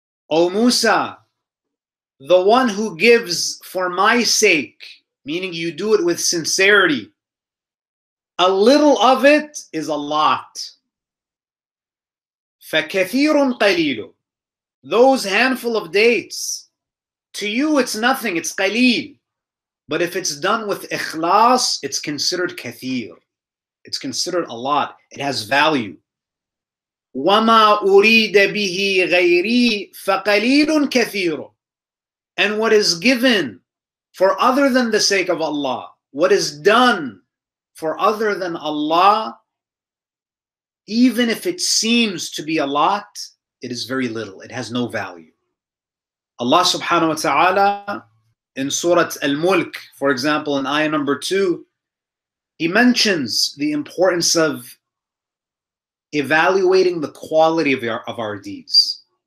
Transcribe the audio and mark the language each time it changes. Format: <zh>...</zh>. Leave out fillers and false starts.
<en>O Musa, the one who gives for my sake, meaning you do it with sincerity, a little of it is a lot.</en> <ar>فَكَثِيرٌ قَلِيلٌ</ar> <en>Those handful of dates, to you it's nothing, it's qaleel. But if it's done with ikhlas, it's considered kathir. It's considered a lot. It has value.</en> <ar>وَمَا أُرِيدَ بِهِ غَيْرِي فَقَلِيلٌ كَثِيرٌ.</ar> <en>And what is given for other than the sake of Allah, what is done for other than Allah, even if it seems to be a lot, it is very little. It has no value. Allah subhanahu wa ta'ala, in Surah Al-Mulk, for example, in ayah number 2, he mentions the importance of evaluating the quality of our deeds.</en>